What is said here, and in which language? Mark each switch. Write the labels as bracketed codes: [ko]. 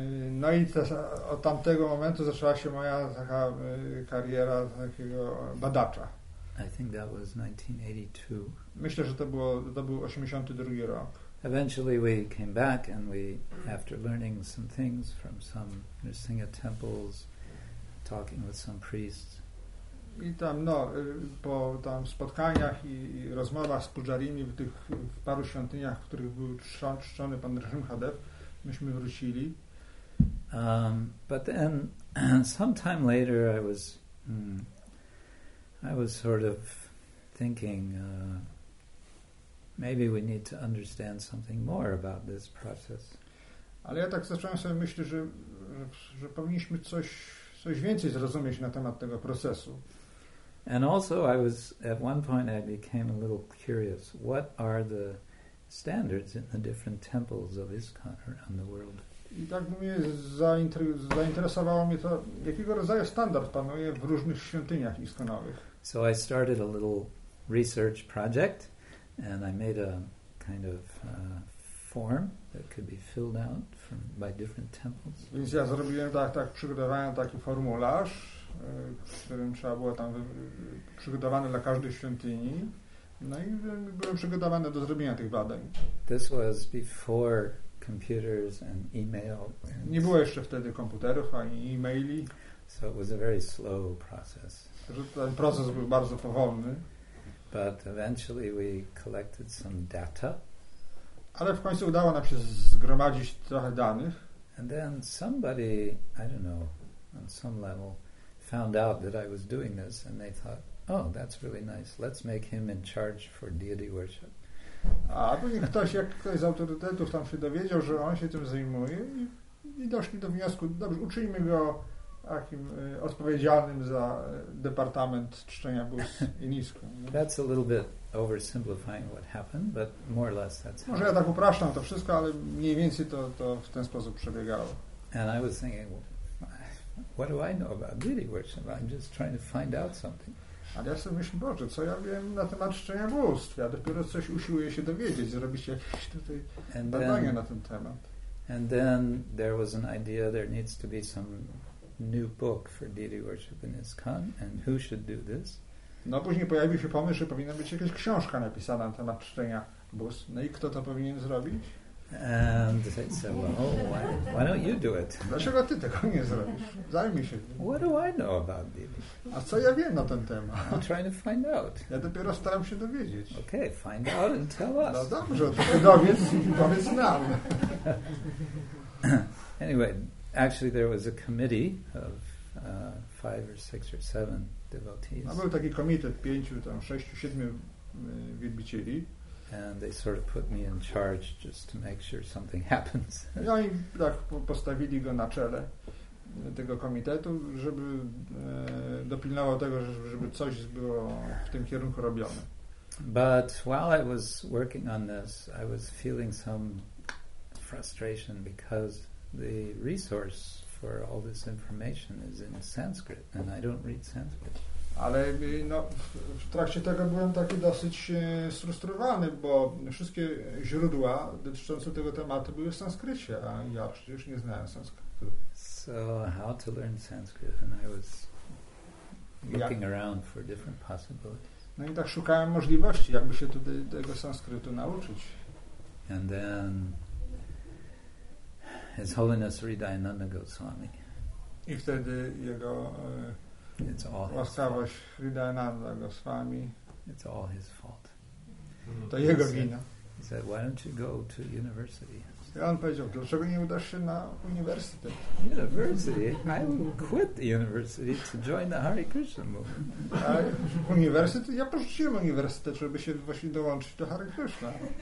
[pl] No i też od tamtego momentu zaczęła się moja taka kariera takiego badacza. [en] I think that was 1982. [pl] Myślę, że to był 82 rok. [en] Eventually we came back and we, after learning some things from some Nrsingha temples, talking with some priests. [pl] I tam, no, po tam spotkaniach i rozmowach z pujarimi w tych w paru świątyniach, w których był czczony pan Nrsimhadev, myśmy wrócili. [en] But then, some time later, I was sort of thinking, maybe we need to understand something more about this process. [pl] Ale ja tak zacząłem sobie myśleć, że powinniśmy coś więcej zrozumieć na temat tego procesu. [en] And also, at one point I became a little curious. What are the standards in the different temples of ISKCON around the world? [pl] I tak mnie zainteresowało mnie to, jakiego rodzaju standard panuje w różnych świątyniach ISKCON-owych. [en] So I started a little research project, and I made a kind of form that could be filled out from by different temples. [pl] Więc ja zrobiłem tak przygotowałem taki formularz, którym trzeba było tam przygotowane dla każdej świątyni. No i byłem przygotowany do zrobienia tych badań. [en] This was before computers and email. [pl] Nie było jeszcze wtedy komputerów ani e-maili. [en] So it was a very slow process. [pl] Ten proces był bardzo powolny. [en] But eventually we collected some data. [pl] Ale w końcu udało nam się zgromadzić trochę danych. [en] And then somebody, I don't know, on some level, found out that I was doing this, and they thought, oh, that's really nice. Let's make him in charge for deity worship. [pl] A później ktoś z autorytetów tam się dowiedział, że on się tym zajmuje i doszli do wniosku, dobrze, uczyńmy go takim odpowiedzialnym za departament czczenia bóstw i nisku. [en] That's a little bit oversimplifying what happened, but more or less that's [pl] Może ja tak upraszczam to wszystko, ale mniej więcej to w ten sposób przebiegało. [en] And I was thinking, what do I know about deity worship? I'm just trying to find out something. [pl] Ale ja sobie myślę, Boże, co ja wiem na temat czczenia bóstw? Ja dopiero coś usiłuję się dowiedzieć, zrobić jakieś tutaj badania na ten temat. [en] And then there was an idea, there needs to be some new book for deity worship in ISKCON, and who should do this? [pl] No później pojawił się pomysł, że powinna być jakaś książka napisana na temat czczenia bóstw. No i kto to powinien zrobić? [en] And they said, well, why don't you do it? [pl] Dlaczego ty tego nie zrobisz? Zajmij się tym. [en] What do I know about deity? [pl] A co ja wiem na ten temat? [en] I'm trying to find out. [pl] Ja dopiero staram się dowiedzieć. [en] Okay, find out and tell us. [pl] No dobrze, to się dowiedz i powiedz nam. [en] Anyway, actually there was a committee of 5 or 6 or 7 devotees. [pl] No, był taki komitet sześciu, siedmiu wielbicieli. [en] And they sort of put me in charge just to make sure something happens. [pl] I oni tak postawili go na czele tego komitetu, żeby dopilnował tego, żeby coś było w tym kierunku robione. [en] But while I was working on this, I was feeling some frustration because the resource for all this information is in Sanskrit, and I don't read Sanskrit. [pl] Ale no, w trakcie tego byłem taki dosyć sfrustrowany, bo wszystkie źródła dotyczące tego tematu były w sanskrycie, a ja przecież nie znałem sanskrytu. [en] So how to learn Sanskrit, and I was looking around for different possibilities. [pl] No i tak szukałem możliwości, jakby się tutaj tego sanskrytu nauczyć. [en] And then His Holiness Hridayananda Goswami. [pl] I wtedy jego [en] It's all [pl] łaskawość Hridayananda Goswami. [en] It's all his fault. [pl] To jego wina. [en] He said, why don't you go to university? [pl] I on powiedział, dlaczego nie udasz się na uniwersytet? [en] University? I will quit the university to join the Hare Krishna movement. [pl] A uniwersytet? Ja porzuciłem uniwersytet, żeby się właśnie dołączyć do Hare Krishna.